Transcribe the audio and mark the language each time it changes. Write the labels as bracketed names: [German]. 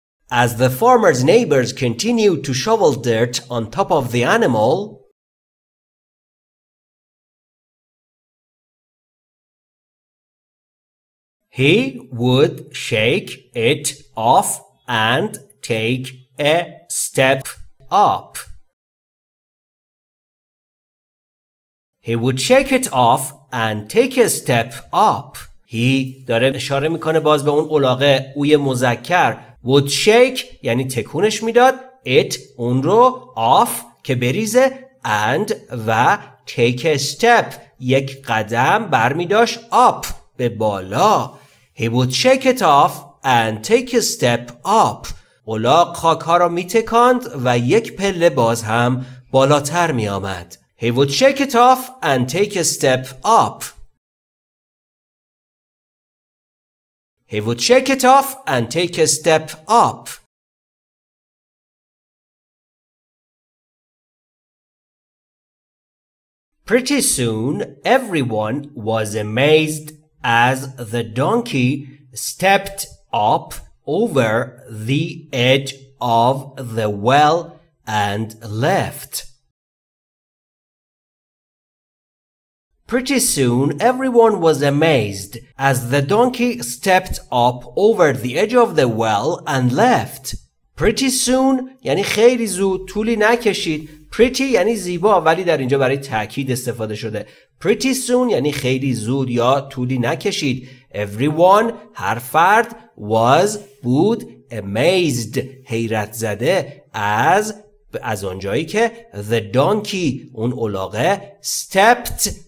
[English] as the farmer's neighbors continued to shovel dirt on top of the animal, he would shake it off and take a step up. He would shake it off and take a step up. He [Persian] داره اشاره میکنه باز به اون الاغه اوی مذکر. [English] Would shake [Persian] یعنی تکونش میداد. [English] It [Persian] اون رو [English] off [Persian] که بریزه [English] and [Persian] و [English] take a step [Persian] یک قدم برمیداشت [English] up [Persian] به بالا. [English] He would shake it off and take a step up. [Persian] الاغ خاکها را میتکاند و یک پله باز هم بالاتر میامد. [English] He would shake it off and take a step up. He would shake it off and take a step up. Pretty soon everyone was amazed as the donkey stepped up over the edge of the well and left. Pretty soon everyone was amazed as the donkey stepped up over the edge of the well and left. Pretty soon [Persian] یعنی خیلی زود طولی نکشید. [English] Pretty [Persian] یعنی زیبا ولی در اینجا برای تاکید استفاده شده. [English] Pretty soon [Persian] یعنی خیلی زود یا طولی نکشید. [English] Everyone [Persian] هر فرد [English] was [Persian] بود [English] amazed [Persian] حیرت زده از آنجایی که [English] the donkey [Persian] اون الاغه [English] stepped